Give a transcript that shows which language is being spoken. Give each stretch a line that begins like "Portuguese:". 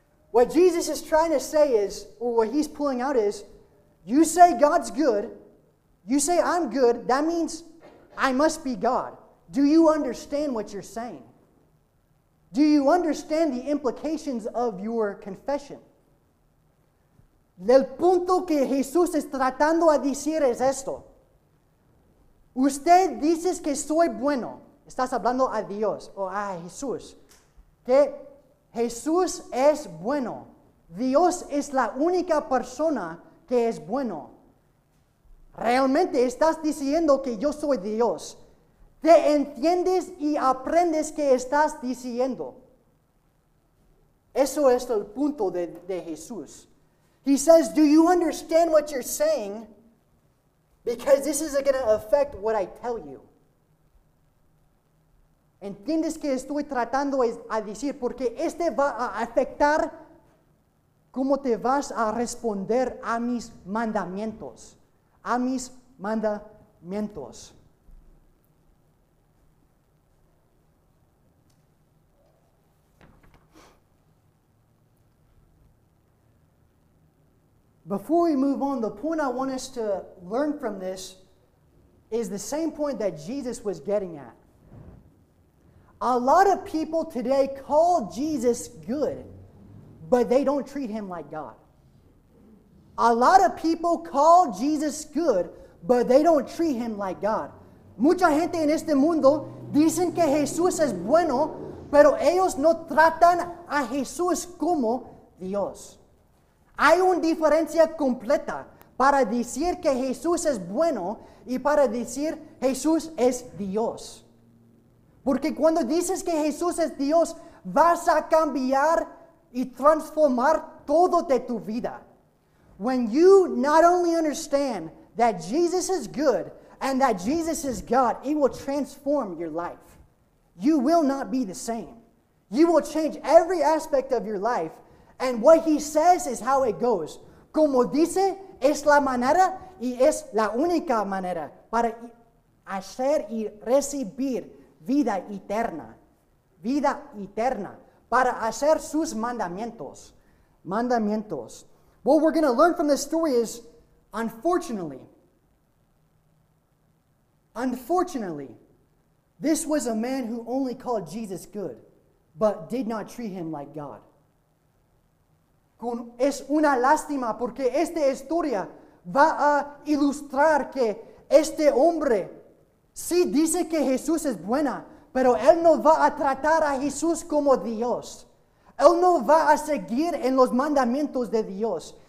English: What Jesus is trying to say is, or what he's pulling out is, you say God's good. You say I'm good. That means I must be God. Do you understand what you're saying? Do you understand the implications of your confession?
Spanish: Del punto que Jesús está tratando a decir es esto. Usted dice que soy bueno. Estás hablando a Dios o a Jesús. Que Jesús es bueno. Dios es la única persona que es bueno. Realmente estás diciendo que yo soy Dios. Te entiendes y aprendes que estás diciendo. Eso es el punto de Jesús.
English: He says, do you understand what you're saying? Because this is going to affect what I tell you.
Spanish: ¿Entiendes que estoy tratando a decir? Porque este va a afectar cómo te vas a responder a mis mandamientos. A mis mandamientos.
English: Before we move on, the point I want us to learn from this is the same point that Jesus was getting at. A lot of people today call Jesus good, but they don't treat him like God. A lot of people call Jesus good, but they don't treat him like God.
Spanish: Mucha gente en este mundo dicen que Jesús es bueno, pero ellos no tratan a Jesús como Dios. Hay una diferencia completa para decir que Jesús es bueno y para decir Jesús es Dios. Porque cuando dices que Jesús es Dios, vas a cambiar y transformar todo de tu vida.
English: When you not only understand that Jesus is good and that Jesus is God, it will transform your life. You will not be the same. You will change every aspect of your life. And what he says is how it goes.
Spanish: Como dice, es la manera y es la única manera para hacer y recibir vida eterna. Vida eterna. Para hacer sus mandamientos. Mandamientos.
English: What we're going to learn from this story is, unfortunately, this was a man who only called Jesus good, but did not treat him like God.
Spanish: Es una lástima porque esta historia va a ilustrar que este hombre sí dice que Jesús es buena, pero él no va a tratar a Jesús como Dios. Él no va a seguir en los mandamientos de Dios.